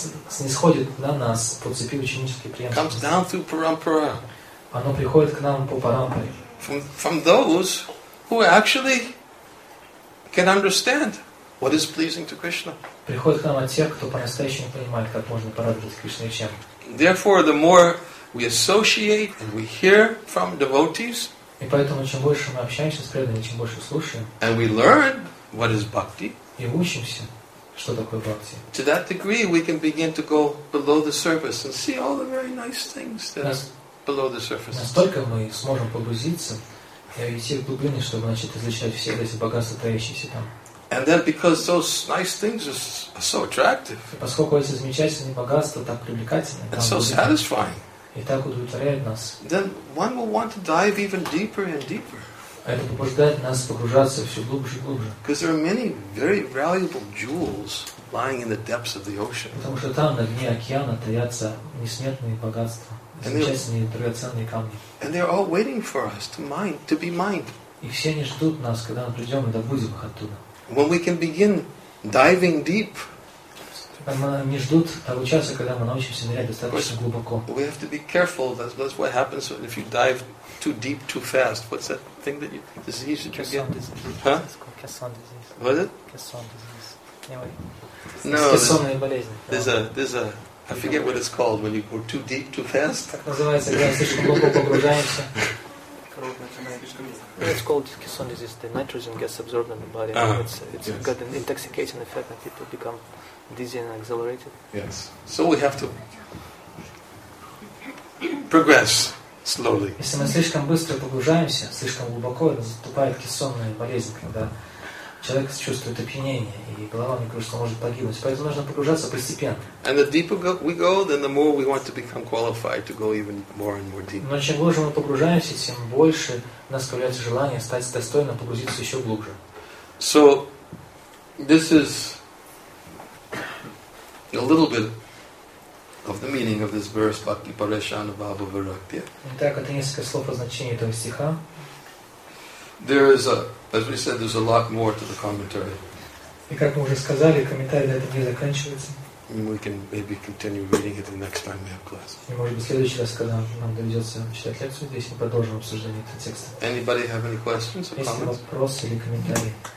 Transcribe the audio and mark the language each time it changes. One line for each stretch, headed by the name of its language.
Russian: Снисходит на нас по цепи ученической преемственности.
English: Comes down through parampara.
Russian: Оно приходит к нам по парампаре.
English: From those who actually can understand What is pleasing to Krishna?
Russian: Приходит к нам от тех, кто по-настоящему понимает, как можно порадовать Кришну и чем.
English: Therefore, the more we associate and we hear from devotees,
Russian: и поэтому чем больше мы общаемся с преданными, чем больше слушаем,
English: and we learn what is bhakti,
Russian: и учимся, что такое бхакти.
English: To that degree, we can begin to go below the surface and see all the very nice things that are below the surface.
Russian: Настолько мы сможем погрузиться и идти в глубины, чтобы начать изучать все эти богатства, таящиеся там.
English: And then because those nice things are so attractive.
Russian: Поскольку эти замечательные богатства так привлекательны.
English: And so satisfying.
Russian: И так удовлетворяют нас.
English: Then one will want to dive even deeper and deeper.
Russian: Это побуждает нас погружаться все глубже и глубже.
English: Because there are many very valuable jewels lying in the depths of the ocean.
Russian: Потому что там, на дне океана, таятся несметные богатства, замечательные драгоценные камни.
English: And they're all waiting for us to mine, to be mined.
Russian: И все они ждут нас, когда мы придем и добудем их оттуда.
English: When we can begin diving deep,
Russian: не ждут того часа, когда мы научимся нырять достаточно глубоко.
English: We have to be careful. That's what happens if you dive too deep, too fast. What's that thing that you disease that you get? Caisson disease. Huh? Caisson disease. What is it? Caisson disease. No.
Russian: Caissonная болезнь.
English: There's a. I forget what it's called when you go too deep, too fast.
Russian: Как называется, когда слишком глубоко погружаемся?
English: It's called Caisson disease. The nitrogen gets absorbed in the body. It's yes. Got an intoxicating effect, and people become dizzy and exhilarated. Yes. So we have to progress slowly.
Russian: Если мы слишком быстро погружаемся, слишком глубоко, наступает кессонная болезнь, когда человек чувствует опьянение и голова не кружится, может погибнуть. Поэтому нужно погружаться постепенно.
English: And the deeper we go, then the more we want to become qualified to go even more and more deep.
Russian: Но чем глубже мы погружаемся, тем больше у нас появляется желание стать достойным погрузиться еще глубже.
English: So this is a little bit of the meaning of this verse, Bhakti Pareshana Bhava Virakya.
Russian: Итак, это несколько слов о значении этого стиха.
English: There is a, as we said, there's a lot more to the commentary.
Russian: И как мы уже сказали, комментарий на этом не заканчивается.
English: And we can maybe continue reading it the next time we have class.
Russian: И может быть в следующий раз, когда нам доведется читать лекцию, здесь мы продолжим обсуждение этого текста.
English: Anybody have any questions or comments?
Russian: Есть ли вопросы или комментарии?